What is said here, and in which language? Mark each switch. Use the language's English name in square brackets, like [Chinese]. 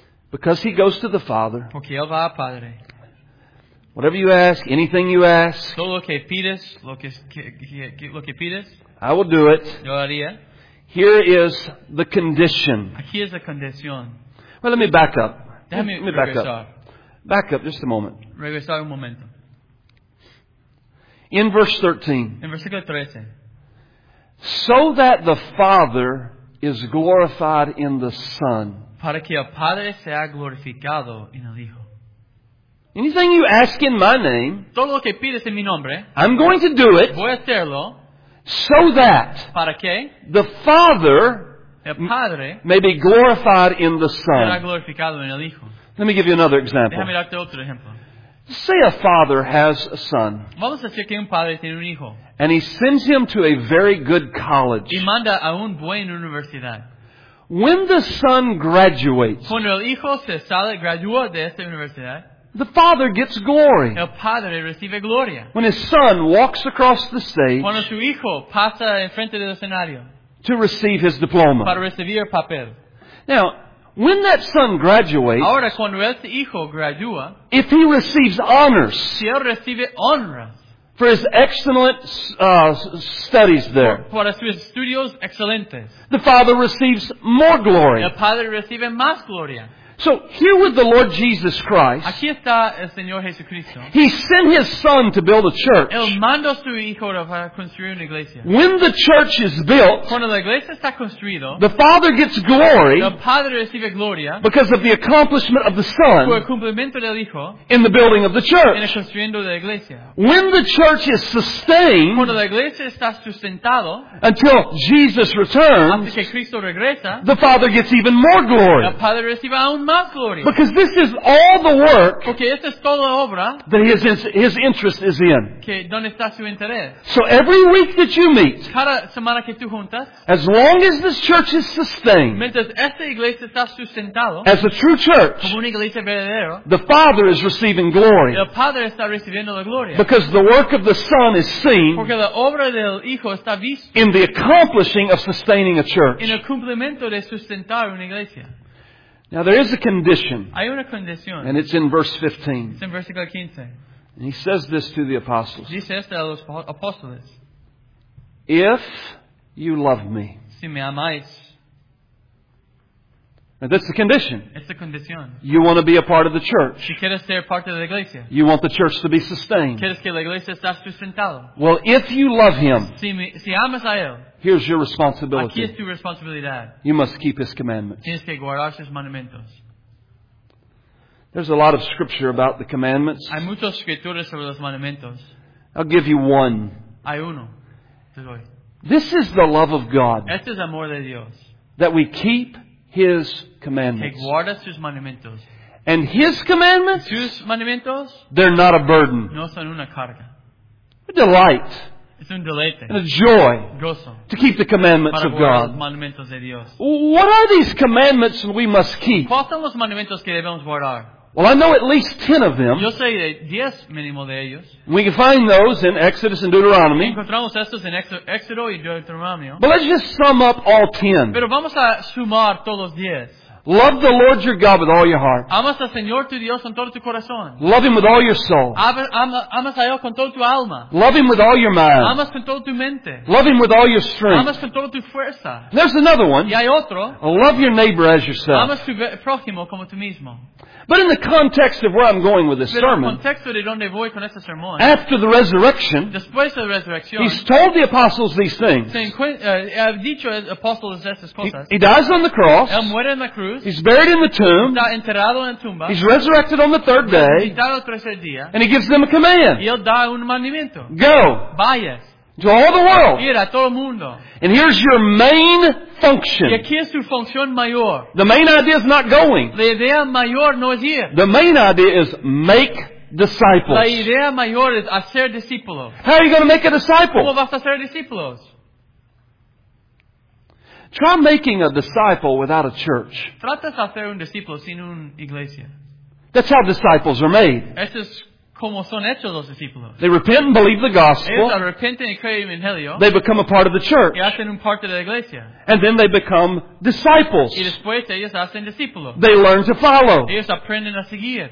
[English] Because he goes to the Father. [Spanish] Porque él va al Padre. [English] Whatever you ask, anything you ask, [Spanish] todo lo que pides, lo que pides, [English] I will do it. [Spanish] Yo haría. [English] Here is the condition. [Spanish] Aquí es la condición. [English] Well, let me back up. [Spanish] Déjame [English] back up. Back up just a moment. [Spanish] Regresar un momento. [English] In verse 13. [Spanish] En versículo 13. [English] So that the Father is glorified in the Son. [Spanish] Para que el Padre sea glorificado en el Hijo. [English] Anything you ask in my name, [Spanish] todo lo que pides en mi nombre, [English] I'm going to do it. [Spanish] Voy a hacerlo. [English] So that, [Spanish] para que [English] the Father, [Spanish] el Padre, [English] may be glorified in the Son. [Spanish] Será glorificado en el Hijo. [English] Let me give you another example. [Spanish] Déjame darte otro ejemplo. [English] Say a father has a son. [Spanish] Vamos a decir que un padre tiene un hijo. [English] And he sends him to a very good college. [Spanish] Y manda a un buen universidad. [English] When the son graduates, [Spanish] cuando el hijo se sale, gradúa de esta universidad, [English] the father gets glory. [Spanish] El padre recibe gloria. [English] When his son walks across the stage, [Spanish] cuando su hijo pasa enfrente del escenario, [English] to receive his diploma. [Spanish] Para recibir papel. [English] Now, when that son graduates, [Spanish] ahora, cuando ese hijo gradúa, [English] if he receives honors, [Spanish] si él recibe honras, [English] for his excellent studies there, [Spanish] para sus estudios excelentes, [English] the father receives more glory. [Spanish] El padre recibe más gloria. [English] So here with the Lord Jesus Christ, [Spanish] aquí está el Señor Jesucristo. [English] He sent his son to build a church. [Spanish] Él mandó su hijo para construir una iglesia. [English] When the church is built, [Spanish] cuando la iglesia está construido, [English] the father gets glory, [Spanish] el padre recibe gloria, [English] because of the accomplishment of the son, [Spanish] por el cumplimiento del hijo, [English] in the building of the church. [Spanish] En el construyendo la iglesia. [English] When the church is sustained, [Spanish] cuando la iglesia está sustentado, [English] until Jesus returns, [Spanish] hasta que Cristo regresa, [English] the father gets even more glory. [Spanish] El padre recibe aún. [English] Because this is all the work, [Spanish] okay, esta es toda la obra [English] that his interest is in. [Spanish] Que donde está su interés. [English] So every week that you meet, [Spanish] cada semana que tú juntas, [English] as long as this church is sustained, [Spanish] mientras esta iglesia está sustentado, [English] as a true church, [Spanish] como una iglesia verdadera, [English] the Father is receiving glory. [Spanish] El Padre está recibiendo la gloria. [English] Because the work of the Son is seen, [Spanish] porque la obra del Hijo está visto, [English] in the accomplishing of sustaining a church. [Spanish] En el cumplimiento de sustentar una iglesia. [English] Now there is a condition. [Spanish] Hay una condición. [English] And it's in verse 15. [Spanish] Es en versículo 15. [English] And he says this to the apostles. [Spanish] Dice esto a los apóstoles. [English] If you love me. [Spanish] Si me amáis. [English] Now that's the condition. [Spanish] Es la condición. [English] You want to be a part of the church. [Spanish] Si quieres ser parte de la iglesia. [English] You want the church to be sustained. [Spanish] Quieres que la iglesia esté sustentada. [English] Well, if you love him. [Spanish] Si amas a él. [English] Here's your responsibility. [Spanish] Aquí es tu responsabilidad. [English] You must keep his commandments. [Spanish] Tienes que guardar sus mandamientos. [English] There's a lot of scripture about the commandments. [Spanish] Hay muchas escrituras sobre los mandamientos. [English] I'll give you one. [Spanish] Hay uno. [English] This is the love of God. [Spanish] Este es el amor de Dios. [English] That we keep his commandments. [Spanish] Que guarda sus mandamientos. [English] And his commandments, [Spanish] sus mandamientos, [English] they're not a burden. [Spanish] No son una carga. [English] A delight. [Spanish] It's un deleite, [English] and a joy, [Spanish] gozo, [English] to keep the commandments of God. [Spanish] Los mandamientos de Dios. [English] What are these commandments we must keep? [Spanish] ¿Cuáles son los mandamientos que debemos guardar? [English] Well, I know at least 10 of them. [Spanish] Yo sé de 10 mínimo de ellos. [English] We can find those in Exodus and Deuteronomy. [Spanish] Encontramos estos en Éxodo y Deuteronomio. [English] But let's just sum up all 10. [Spanish] Pero vamos a sumar todos los 10. [English] Love the Lord your God with all your heart. [Spanish] Amas al Señor tu Dios con todo tu corazón. [English] Love him with all your soul. [Spanish] Amas a él con todo tu alma. [English] Love him with all your mind. [Spanish] Amas con todo tu mente. [English] Love him with all your strength. [Spanish] Amas con todo tu fuerza. [English] There's another one. [Spanish] Y hay otro. [English] Love your neighbor as yourself. [Spanish] Amas tu prójimo como tú mismo. [English] But in the context of where I'm going with this [Spanish] pero [English] sermon, [Spanish] contexto de donde voy con este sermón, [English] after the resurrection, [Spanish] después de la resurrección, [English] he's told the apostles these things. He dies on the cross. [Spanish] Él muere en la cruz. [English] He's buried in the tomb. [Spanish] Está enterrado en tumba. [English] He's resurrected on the third day. [Spanish] Resucitado el tercer día. [English] And he gives them a command. [Spanish] Y él da un mandamiento. [English] Go. [Spanish] Vayas. [English] To all the world. [Spanish] Ir a todo mundo. [English] And here's your main function. [Spanish] Y aquí es tu función mayor. [English] The main idea is not going. [Spanish] La idea mayor no es ir. [English] The main idea is make disciples. [Spanish] La idea mayor es hacer discípulos. [English] How are you going to make a disciple? [Spanish] ¿Cómo vas a hacer discípulos? [English] Try making a disciple without a church. [Spanish] Tratas de hacer un discípulo sin una iglesia. [English] That's how disciples are made. [Spanish] Eso es como son hechos los discípulos. [English] They repent and believe the gospel. [Spanish] Ellos arrepienten y creen en Helio. [English] They become a part of the church. [Spanish] Y hacen un parte de la iglesia. [English] And then they become disciples. [Spanish] Y después ellos hacen discípulos. [English] They learn to follow. [Spanish] Ellos aprenden a seguir.